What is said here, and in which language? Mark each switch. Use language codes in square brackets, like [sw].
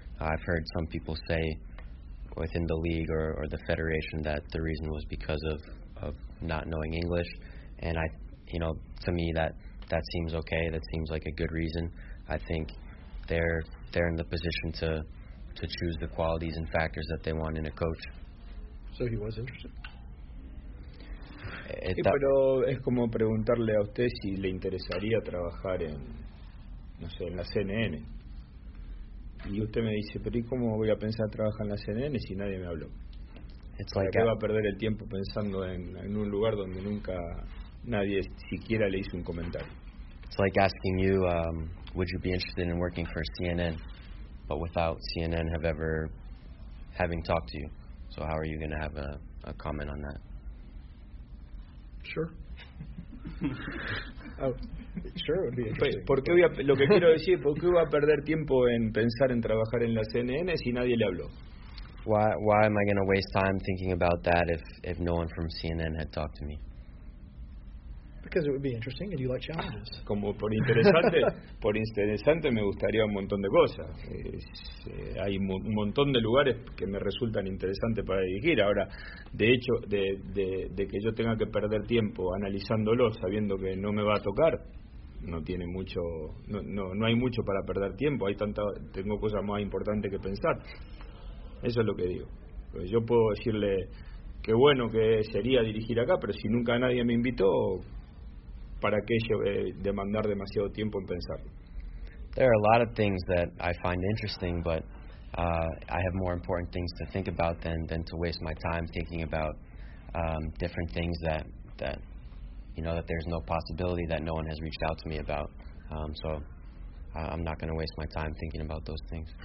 [en] I've heard some people say within the league or the federation that the reason was because of not knowing English, and I to me that seems okay. That seems like a good reason. I think they're in the position to choose the qualities and factors that they want in a coach. So he was interested. [es] Pero es como preguntarle a usted si le interesaría trabajar en, no sé, en la CNN. Y usted me dice, pero ¿y cómo voy a pensar trabajar en la CNN si nadie me habló? ¿Para qué va a perder el tiempo pensando en un lugar donde nunca nadie siquiera le hizo un comentario? [en] It's like asking you, would you be interested in working for CNN, but without CNN have ever having talked to you? So how are you going to have a comment on that? Sure. Sure, it would be interesting. [es] ¿Por qué lo que quiero decir, por qué voy a perder tiempo en pensar en trabajar en la CNN si nadie le habló? [en] Why am I going to waste time thinking about that if no one from CNN had talked to me? Because it would be interesting, and you like challenges. [es] Como por interesante me gustaría un montón de cosas. Hay un montón de lugares que me resultan interesantes para dirigir. Ahora, de hecho, de que yo tenga que perder tiempo analizándolo, sabiendo que no me va a tocar, no tiene mucho, no hay mucho para perder tiempo. Tengo cosas más importantes que pensar. Eso es lo que digo. Pues yo puedo decirle qué bueno que sería dirigir acá, pero si nunca nadie me invitó, para que yo demandar demasiado tiempo en pensar. [en] There are a lot of things that I find interesting, but I have more important things to think about than to waste my time thinking about different things that there's no possibility that no one has reached out to me about. So I'm not going to waste my time thinking about those things.